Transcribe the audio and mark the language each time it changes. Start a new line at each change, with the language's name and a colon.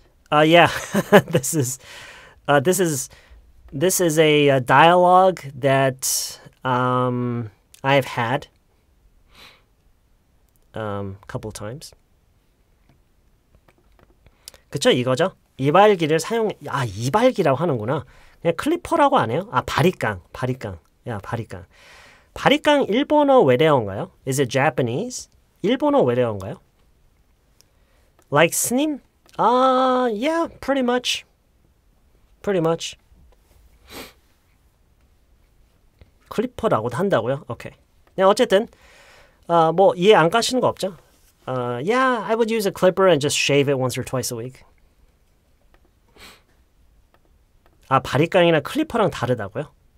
English: Yeah, this is a dialogue that I've had couple times.
Korean: 그쵸, 이거죠? 이발기를 사용 아 이발기라고 하는구나. 그냥 클리퍼라고 안 해요? 아 바리깡, 바리깡, 야 바리깡. 바리깡 일본어 외래어인가요?
English: Is it Japanese?
Korean: 일본어 외래어인가요?
English: Like 스님? Yeah, pretty much. Pretty much.
Korean: 클리퍼라고도 한다고요?
English: Okay.
Korean: 네, 어쨌든, 뭐 이해 안 가시는 거 없죠?
English: Yeah, I would use a clipper and just shave it once or twice a week.
Korean: 아, 바리깡이나 클리퍼랑 다르다고요?